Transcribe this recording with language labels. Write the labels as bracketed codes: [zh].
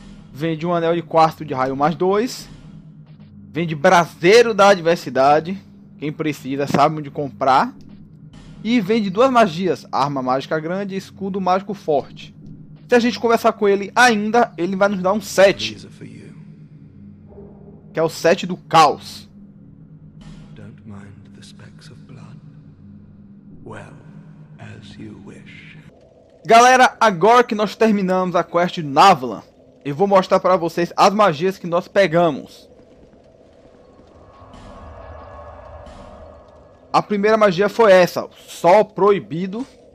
[pt] Vende um anel de quarto de raio mais dois. Vende braseiro da adversidade. Quem precisa sabe onde comprar. E vende duas magias, arma mágica grande e escudo mágico forte. Se a gente conversar com ele ainda, ele vai nos dar um set. Que é o set do caos. [en] Don't mind the specks of blood. Well, as you wish. [pt] Galera, agora que nós terminamos a quest de Navlan, eu vou mostrar para vocês as magias que nós pegamos. A primeira magia foi essa, Sol Proibido.